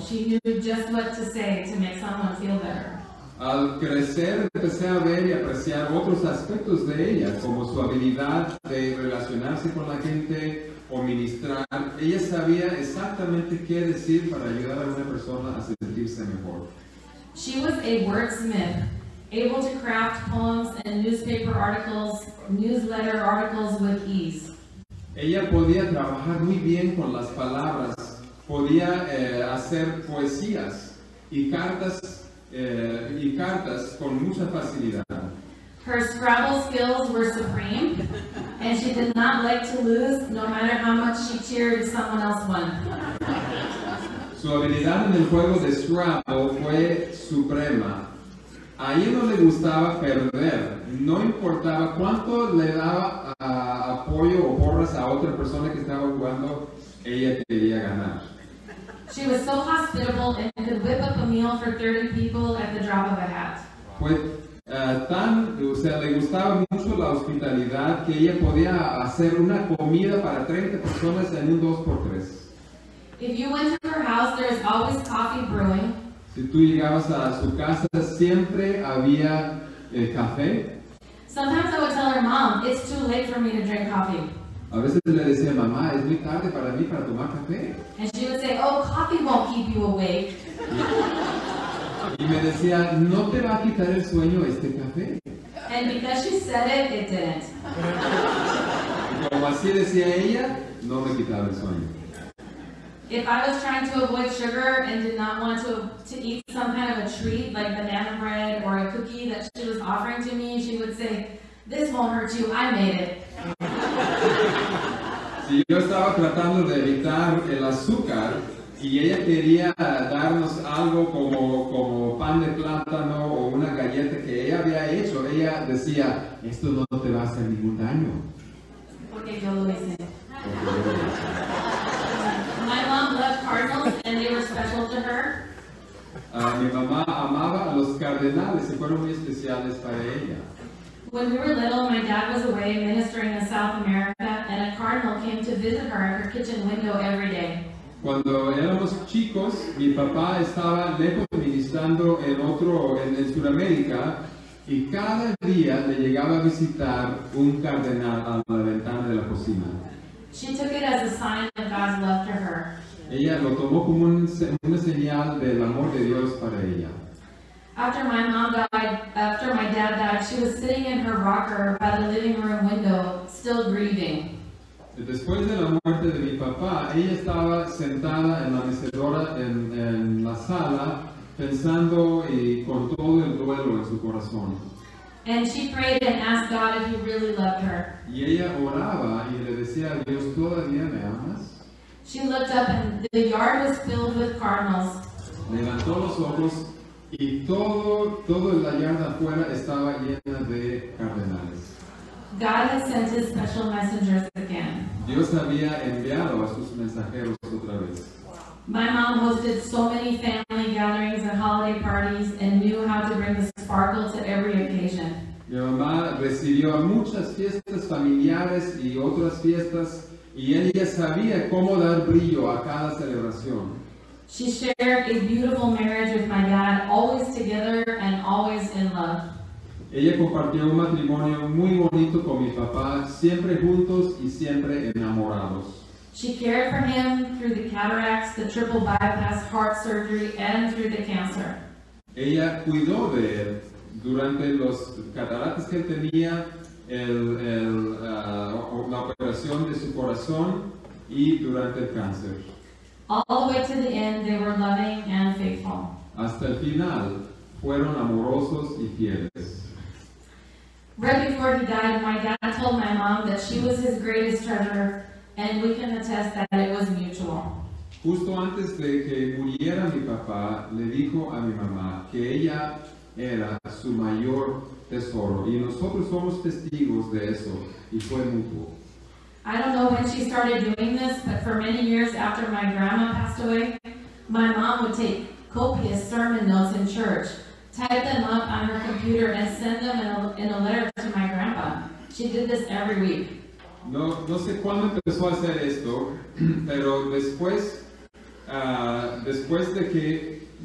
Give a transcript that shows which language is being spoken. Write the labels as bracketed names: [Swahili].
[English] She knew just what to say to make someone feel better. [Spanish] Al crecer, empecé a ver y apreciar otros aspectos de ella, como su habilidad de relacionarse con la gente o ministrar. Ella sabía exactamente qué decir para ayudar a una persona a sentirse mejor. [English] She was a wordsmith, able to craft poems and newspaper articles, newsletter articles with ease. [Spanish] Ella podía trabajar muy bien con las palabras, podía hacer poesías y cartas con mucha facilidad. [English] Her Scrabble skills were supreme, and she did not like to lose, no matter how much she cheered someone else won. [Spanish] Su habilidad en el juego de Scrabble fue suprema. A ella no le gustaba perder, no importaba cuánto le daba apoyo o porras a otra persona que estaba jugando, ella quería ganar. [English] She was so hospitable and could whip up a meal for 30 people at the drop of a hat. [Spanish] Le gustaba mucho la hospitalidad que ella podía hacer una comida para 30 personas en un 2x3. [English] If you went to her house, there is always coffee brewing. [Spanish] Si tú llegabas a su casa, siempre había café. [English] Sometimes I would tell her, "Mom, it's too late for me to drink coffee." [Spanish] A veces le decía, "Mamá, es muy tarde para mí para tomar café." [English] And she would say, "Oh, coffee won't keep you awake." [Spanish] Y me decía, "No te va a quitar el sueño este café." [English] And because she said it, it didn't. [Spanish] Y como así decía ella, no me quitaba el sueño. [English] If I was trying to avoid sugar and did not want to eat some kind of a treat like banana bread or a cookie that she was offering to me, she would say, "This won't hurt you, I made it." [Spanish] Si yo estaba tratando de evitar el azúcar y ella quería darnos algo como pan de plátano o una galleta que ella había hecho, ella decía, "Esto no te va a hacer ningún daño." Porque yo lo hice. [English] My mom loved cardinals, and they were special to her. [Spanish] Mi mamá amaba a los cardenales, y fueron muy especiales para ella. [English] When we were little, my dad was away ministering in South America, and a cardinal came to visit her at her kitchen window every day. [Spanish] Cuando éramos chicos, mi papá estaba lejos ministrando en Sudamérica, y cada día le llegaba a visitar un cardenal a la ventana de la cocina. [English] She took it as a sign of God's love to her. [Spanish] Ella lo tomó como una señal del amor de Dios para ella. [English] After my dad died, she was sitting in her rocker by the living room window, still grieving. [Spanish] Después de la muerte de mi papá, ella estaba sentada en la mecedora en la sala, pensando y con todo el duelo en su corazón. [English] And she prayed and asked God if he really loved her. [Spanish] Y ella oraba y le decía a Dios, ¿todavía me amas? [English] She looked up and the yard was filled with cardinals. [Spanish] Levantó los ojos y todo la yarda afuera estaba llena de cardenales. [English] God had sent his special messengers again. [Spanish] Dios había enviado a sus mensajeros otra vez. [English] My mom hosted so many family gatherings and holiday parties and knew how to bring the sparkle to every occasion. [Spanish] Mi mamá recibió a muchas fiestas familiares y otras fiestas, y ella sabía cómo dar brillo a cada celebración. [English] She shared a beautiful marriage with my dad, always together and always in love. [Spanish] Ella compartió un matrimonio muy bonito con mi papá, siempre juntos y siempre enamorados. [English] She cared for him through the cataracts, the triple bypass, heart surgery, and through the cancer. [Spanish] Ella cuidó de él durante los cataratas que tenía, la operación de su corazón y durante el cáncer. [English] All the way to the end, they were loving and faithful. [Spanish] Hasta el final, fueron amorosos y fieles. [English] Right before he died, my dad told my mom that she was his greatest treasure, and we can attest that it was mutual. [Spanish] Justo antes de que muriera mi papá, le dijo a mi mamá que ella era su mayor tesoro, y nosotros somos testigos de eso, y fue mutuo. [English] I don't know when she started doing this, but for many years after my grandma passed away, my mom would take copious sermon notes in church, type them up on her computer, and send them in a letter to my grandpa. She did this every week. [Spanish] No sé cuándo empezó a hacer esto, pero después, después de que...